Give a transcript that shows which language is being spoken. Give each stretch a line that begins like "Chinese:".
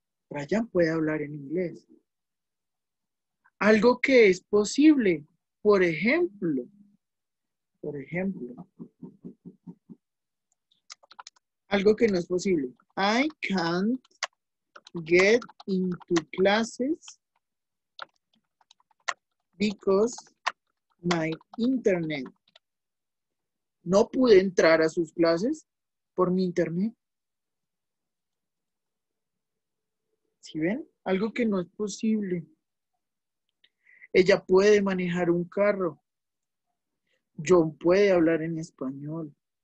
Spanish: Brian puede hablar en inglés. Algo que es posible. Por ejemplo, algo que no es posible.
English: I can't get into classes because my internet.
Spanish: No pude entrar a sus clases por mi internet. ¿Sí ven? Algo que no es posible. Ella puede manejar un carro. John puede hablar en español.